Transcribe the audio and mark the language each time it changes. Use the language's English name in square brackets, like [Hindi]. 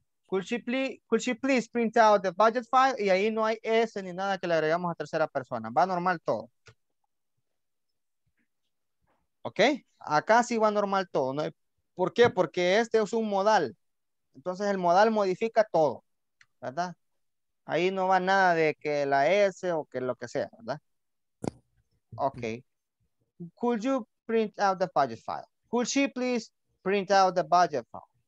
[English] Could she please print out the budget file? [Spanish] Y ahí no hay S ni nada que le agregamos a tercera persona. Va normal todo. ¿Ok? Acá sí va normal todo. ¿No? ¿Por qué? Porque este es un modal. Entonces el modal modifica todo. ¿Verdad? Ahí no va nada de que la S o que lo que sea, ¿verdad? [English] Ok. Could you print out the budget file? Could she please print out the budget file?